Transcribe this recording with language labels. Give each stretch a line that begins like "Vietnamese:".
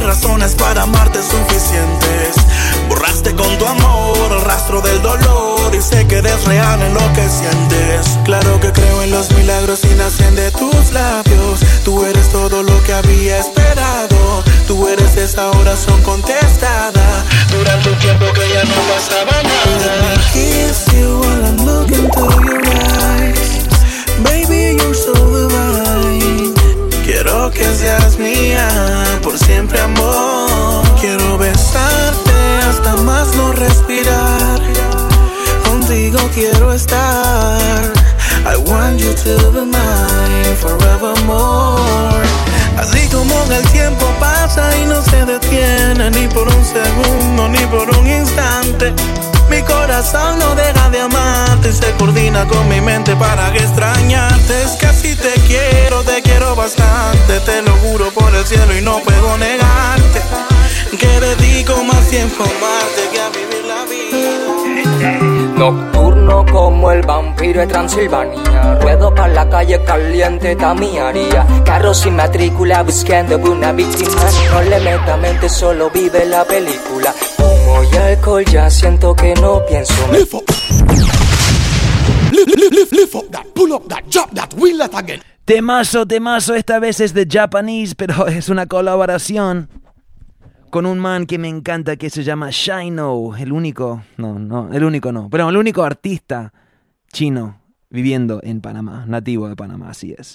Spanish: Razones para amarte suficientes. Borraste con tu amor el rastro del dolor. Y sé que eres real en lo que sientes. Claro que creo en los milagros y nacen de tus labios. Tú eres todo lo que había esperado. Tú eres esa oración contestada. Durante un tiempo que ya no pasaba nada.
English: Let me kiss you while I'm looking through your eyes. Baby, you're so divine.
Spanish: Quiero que seas mía por siempre, amor. Quiero besarte hasta más no respirar. Contigo quiero estar.
English: I want you to be mine forevermore.
Spanish: Así como el tiempo pasa y no se detiene, ni por un segundo, ni por un instante. Mi corazón no deja de amarte, se coordina con mi mente para que extrañarte. Es que así te quiero bastante. Te lo juro por el cielo y no puedo negarte que dedico más tiempo a amarte que a vivir la vida. Nocturno como el vampiro de Transilvania, ruedo pa' la calle caliente, tamiaría. Carro sin matrícula buscando una víctima. No le meta mente, solo vive la película. Y alcohol, ya siento que no pienso.
English: Lift up that, pull up that, drop that, wheel that again.
Spanish: Temazo, temazo, esta vez es de Japanese, pero es una colaboración con un man que me encanta que se llama Shino, el único artista chino viviendo en Panamá, nativo de Panamá, así es.